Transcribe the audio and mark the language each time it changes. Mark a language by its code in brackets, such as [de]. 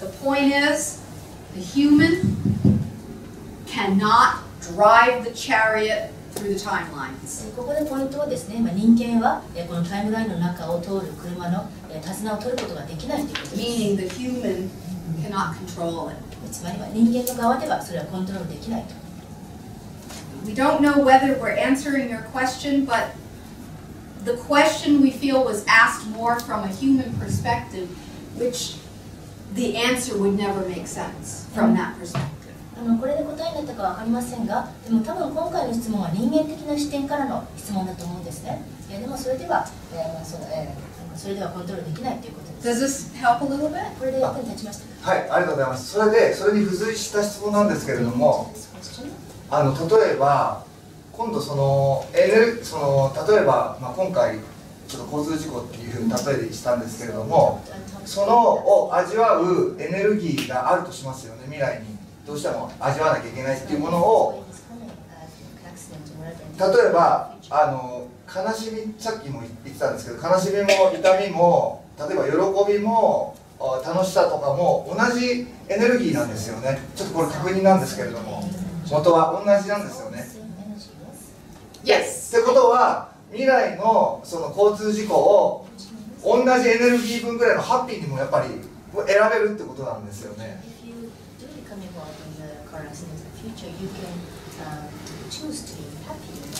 [en] The point is, the human cannot drive the chariot through the timelines. [ja] ここでポイントはですね、人間は、このタイムラインの中を通る車の手綱を取ることができないということです。 [en] Meaning the human cannot control it. [ja] つまりは人間の側ではそれはコントロールできないと。 [en] We don't know whether we're answering your question, but the question we feel was asked more from a human perspective, which the answer would never make sense from that perspective. [ja] これで答えになったかわかりませんが、でも多分今回の質問は人間的な視点からの質問だと思うんですね。でもそれでは、それではコントロールできないということです。 [en] Does this help a little bit? [ja] これで役に立ちましたか。はい、ありがとうございます。それでそれに付随した質問なんですけれども、例えば今度その例えば、今回ちょっと交通事故っていうふうに例えしたんですけれども、そのを味わうエネルギーがあるとしますよね。未来にどうしても味わわなきゃいけないっていうものを、例えば悲しみ、さっきも言ってたんですけど、悲しみも痛みも例えば喜びも楽しさとかも同じエネルギーなんですよね。ちょっとこれ確認なんですけれども、元は同じなんですよね。 [en] Yes. [ja] ってことは未来のその交通事故を同じエネルギー分ぐらいのハッピーにもやっぱり選べるってことなんですよね。 [en] If you do become involved in the car accident in the future, you can choose to be happy.